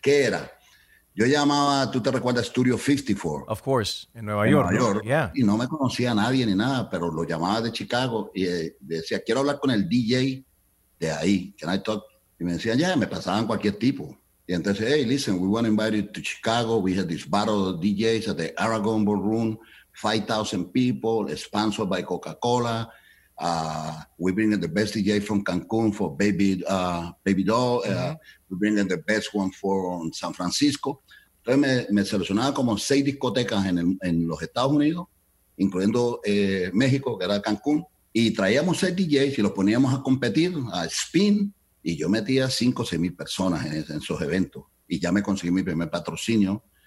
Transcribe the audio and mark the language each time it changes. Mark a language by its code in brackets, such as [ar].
[es] ¿Qué era? Yo llamaba, ¿tú te recuerdas? Studio 54. [en] Of course, [es] en Nueva York. [en] Yeah. [es] Y no me conocía a nadie ni nada, pero lo llamaba de Chicago y decía, quiero hablar con el DJ de ahí. [en] Can I talk? [es] Y me decían, ya, me pasaban cualquier tipo. Y entonces, [en] hey, listen, we want to invite you to Chicago. We had this battle of DJs at the Aragon Ballroom, 5,000 people, sponsored by Coca-Cola. We bring in the best DJ from Cancun for Baby Doll. Mm-hmm. We bring in the best one from San Francisco. [es] Entonces me seleccionaba como 6 discotecas en los Estados Unidos, incluyendo México, que era Cancún. Y traíamos 6 DJs y los poníamos a competir, [en] a spin. [es] Y yo metía 5,000 o 6,000 personas en esos eventos. Y ya me conseguí mi primer patrocinio.